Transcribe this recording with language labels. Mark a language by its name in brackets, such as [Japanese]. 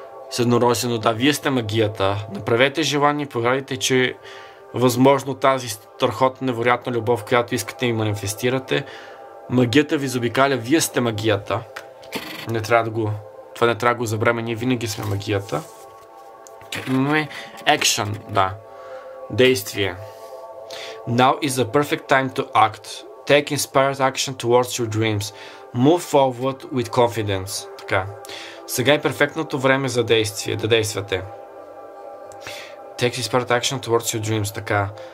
[Bulgarian] С еднорозено, да, вие сте магията. Направете желание, повярвайте, че възможно тази страхотна, невероятна любов, която искате и манифестирате, магията ви заобикаля, вие сте магията. Не трябва да го... Това не трябва да го забравяме, ние винаги сме магията. Имаме action, да. Действие. [English] Now is the perfect time to act. Take inspired action towards your dreams. Move forward with confidence. [Bulgarian] Така. Сега е перфектното време за действие, да действате. [English] Take inspired action towards your dreams, [Bulgarian] така.